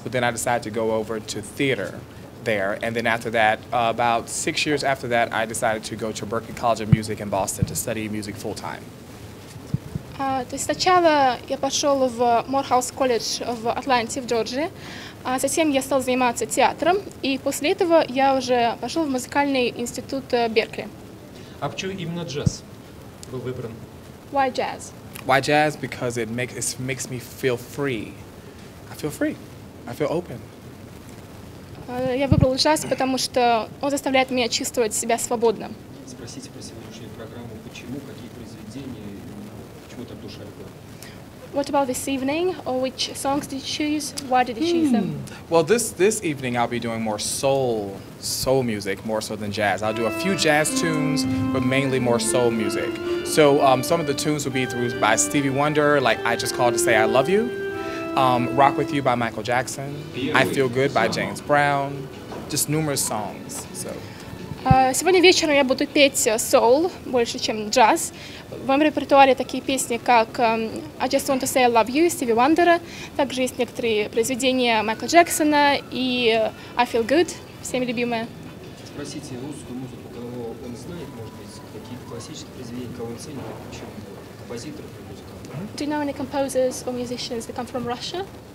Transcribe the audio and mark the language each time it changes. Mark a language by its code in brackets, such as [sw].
[en] But then I decided to go over to theater there, and then after that, about 6 years after that, I decided to go to Berklee College of Music in Boston to study music full time. [ru] То есть сначала я пошел в Morehouse College в Атланте, в Джорджии, а затем я стал заниматься театром, и после этого я уже пошел в музыкальный институт Беркли. А почему именно джаз был выбран? [en] Why jazz? Why jazz? Because it makes me feel free. I feel free. I feel open. [ru] Я выбрал джаз, потому что он заставляет меня чувствовать себя свободным. Спросите про сегодняшнюю программу, почему, какие произведения, почему так душа любила? [en] What about this evening? Or which songs did you choose? Why did you choose them? Well, this evening I'll be doing more soul. Soul music more so than jazz. I'll do a few jazz tunes, but mainly more soul music. So some of the tunes will be through by Stevie Wonder, like I Just Called to Say I Love You, Rock With You by Michael Jackson, I Feel Good by James Brown, just numerous songs. So. [ru] Сегодня вечером я буду петь soul больше, чем джаз. В моем репертуаре такие песни, как I Just Want to Say I Love You, Stevie Wonder. Также есть некоторые произведения Майкла Джексона и I Feel Good. Всеми любимая. Спросите русскую музыку, кого он знает, может быть, какие-то классические произведения, кого он ценит, причем композиторов и музыкантов. [en] Do you know any composers or musicians that come from Russia?